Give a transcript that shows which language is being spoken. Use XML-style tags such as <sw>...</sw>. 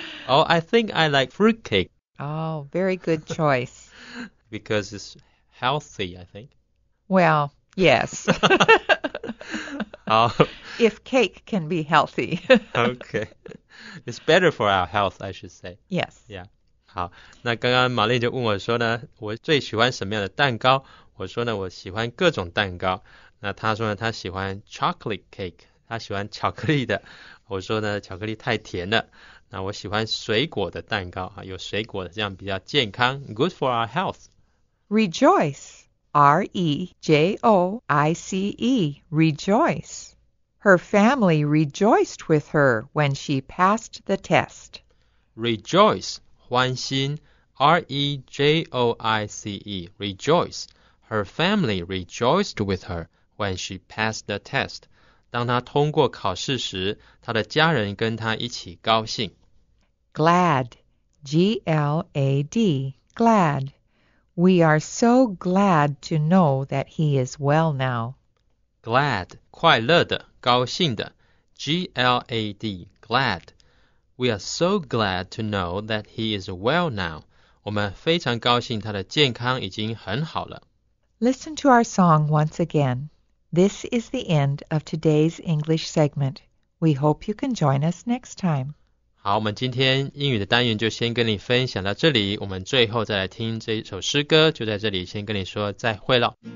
<en>Oh, I think I like fruit cake. Oh, very good choice. Because it's... Healthy, I think. Well, yes. Oh. If cake can be healthy. Okay. It's better for our health, I should say. Yes. Yeah.</en> <zh>好，那刚刚玛丽就问我说呢，我最喜欢什么样的蛋糕？我说呢，我喜欢各种蛋糕。那她说呢，她喜欢 chocolate cake， 她喜欢巧克力的。我说呢，巧克力太甜了。那我喜欢水果的蛋糕，有水果的，这样比较健康 ，</zh> <en>good for our health. Rejoice, R-E-J-O-I-C-E, rejoice. Her family rejoiced with her when she passed the test. Rejoice, 欢欣 R-E-J-O-I-C-E, rejoice. Her family rejoiced with her when she passed the test.</en> <zh>当她通过考试时，她的家人跟她一起高兴。</zh> <en>Glad, G-L-A-D, glad. We are so glad to know that he is well now. Glad,</en> <zh>快乐的,高兴的,</zh> <en>G-L-A-D, glad. We are so glad to know that he is well now.</en> <zh>我们非常高兴他的健康已经很好了。</zh> <en>Listen to our song once again. This is the end of today's English segment. We hope you can join us next time.</en> <zh>好，我们今天英语的单元就先跟你分享到这里，我们最后再来听这首诗歌，就在这里先跟你说再会了。</zh>